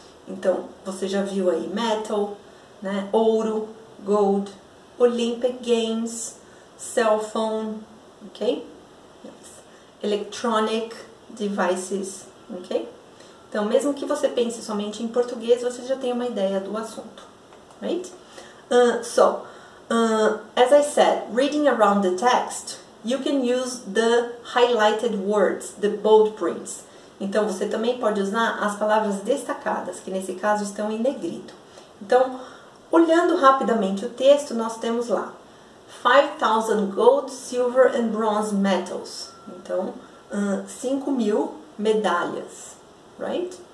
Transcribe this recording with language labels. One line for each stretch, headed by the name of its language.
Portuguese: Então, você já viu aí metal, né? Ouro, gold, Olympic Games, cell phone, ok? Yes.
English: Electronic devices, ok?
Portuguese: Então, mesmo que você pense somente em português, você já tem uma ideia do assunto, right?
English: As I said, reading around the text, you can use the highlighted words, the bold prints.
Portuguese: Então, você também pode usar as palavras destacadas, que nesse caso estão em negrito. Então, olhando rapidamente o texto, nós temos lá
English: 5,000 gold, silver and bronze medals.
Portuguese: Então, 5,000 medalhas, right?